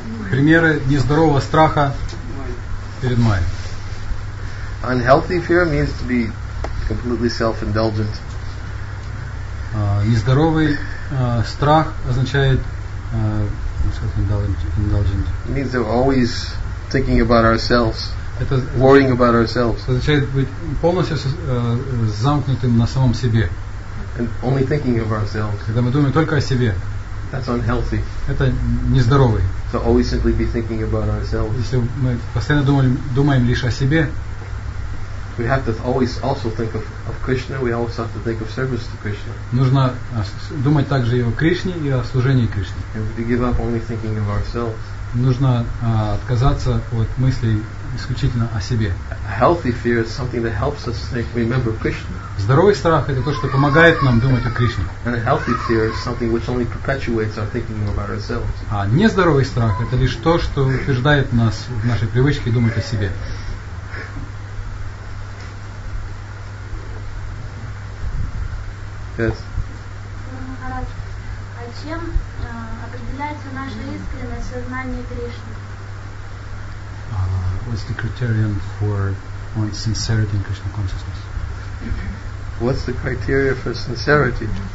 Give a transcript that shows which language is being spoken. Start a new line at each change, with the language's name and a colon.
Russian: Примеры нездорового страха перед Майей.
English: Unhealthy fear means to be completely self-indulgent.
Russian: Нездоровый страх означает
English: self-indulgent. It means to always thinking about ourselves, это, worrying about ourselves.
Russian: Это означает быть полностью замкнутым на самом себе.
English: And only thinking of ourselves.
Russian: Когда мы думаем только о себе.
English: That's unhealthy.
Russian: Это нездоровый.
English: To always simply be thinking about ourselves.
Russian: Если мы постоянно думаем лишь о себе.
English: We have to always also think of Krishna. We also have to think of service to Krishna.
Russian: Нужно думать также и о Кришне, и о служении Кришне.
English: And we give up only thinking of ourselves.
Russian: Нужно отказаться от мыслей исключительно о себе.
English: A healthy fear is something that helps us think, remember Krishna.
Russian: Здоровый страх – это то, что помогает нам думать о Кришне.
English: And a healthy fear is something which only perpetuates our thinking about ourselves.
Russian: А нездоровый страх – это лишь то, что утверждает нас в нашей привычке думать о себе.
English: Yes.
Russian: А чем определяется наше искреннее сознание Кришны?
English: What's the criterion for one's sincerity in Krishna consciousness? What's the criteria for sincerity?